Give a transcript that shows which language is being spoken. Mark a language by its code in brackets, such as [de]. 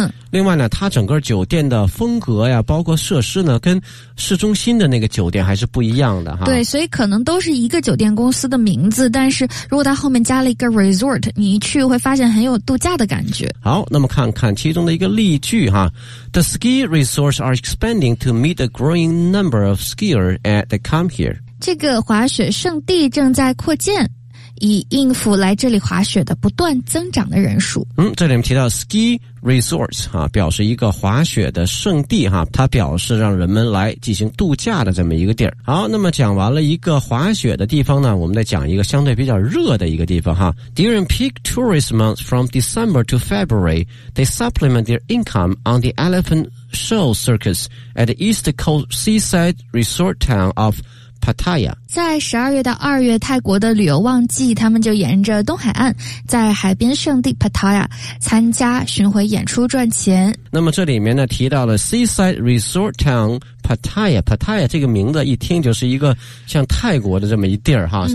[zh] 另外呢，它整个酒店的风格呀，包括设施呢，跟市中心的那个酒店还是不一样的哈。对，所以可能都是一个酒店公司的名字，但是如果它后面加了一个 resort， 你一去会发现很有度假的感觉。好，那么看看其中的一个例句哈。 [en] The ski resorts are expanding to meet the growing number of skiers that come here. [zh] 这个滑雪圣地正在扩建，以应付来这里滑雪的不断增长的人数。这里面提到 ski resorts 啊，表示一个滑雪的圣地哈，它表示让人们来进行度假的这么一个地儿。好，那么讲完了一个滑雪的地方呢，我们再讲一个相对比较热的一个地方哈。 [en] During peak tourist months from December to February, they supplement their income on the Elephant Show Circus at the East Coast Seaside Resort Town of Pattaya。 [zh] 在12月到2月泰国的旅游旺季，他们就沿着东海岸在海边圣地 Pattaya 参加巡回演出赚钱。那么这里面呢提到了 Seaside Resort Town Pattaya， Pattaya 这个名字一听就是一个像泰国的这么一地儿哈。